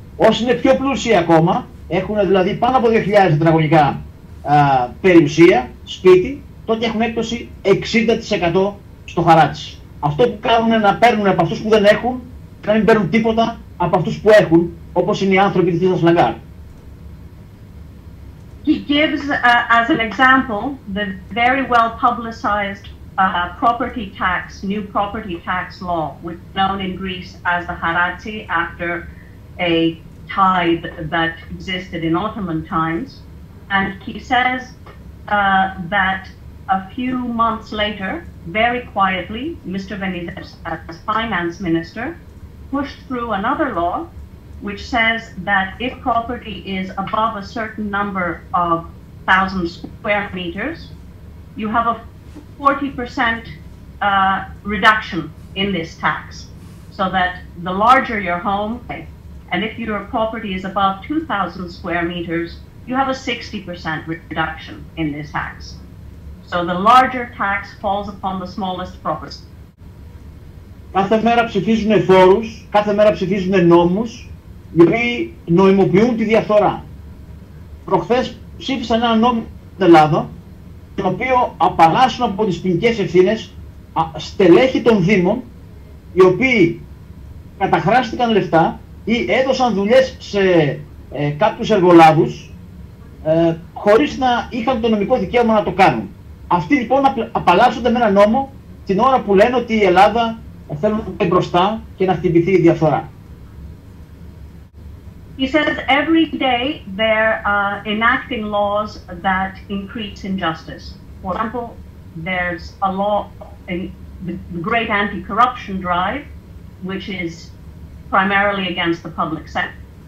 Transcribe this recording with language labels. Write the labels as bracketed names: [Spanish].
[Greek] Όσοι είναι πιο πλούσιοι ακόμα, έχουν δηλαδή πάνω από 2000 τετραγωνικά περιουσία, σπίτι, τότε έχουν έκπτωση 60% στο χαράτσι. Αυτό που κάνουν είναι να παίρνουν από αυτούς που δεν έχουν, να μην παίρνουν τίποτα από αυτούς που έχουν, όπως είναι οι άνθρωποι της Λαγκάρντ. [English] He gives, as an example, the very well publicized property tax, new property tax law, which is known in Greece as the haratsi after a tithe that existed in Ottoman times. And he says that a few months later, very quietly, Mr. Venizelos, as finance minister, pushed through another law which says that if property is above a certain number of 1,000 square meters, you have a 40% reduction in this tax, so that the larger your home, and if your property is above 2,000 square meters, you have a 60% reduction in this tax. So the larger tax falls upon the smallest property. [Greek] Κάθε μέρα ψηφίζουν φόρους, κάθε μέρα ψηφίζουν νόμους, οι οποίοι νοημοποιούν τη διαφθορά. Προχθές ψήφισαν ένα νόμο στην Ελλάδα, τον οποίο απαλλάσσουν από τις ποινικές ευθύνες στελέχη των Δήμων, οι οποίοι καταχράστηκαν λεφτά ή έδωσαν δουλειές σε κάποιους εργολάβους χωρίς να είχαν το νομικό δικαίωμα να το κάνουν. Αυτοί λοιπόν απαλλάσσονται με ένα νόμο την ώρα που λένε ότι η Ελλάδα θέλει να πάει μπροστά και να χτυπηθεί η διαφθορά. [English] He says every day they're enacting laws that increase injustice. For example, there's a law in the great anti-corruption drive, which is primarily against the public sector.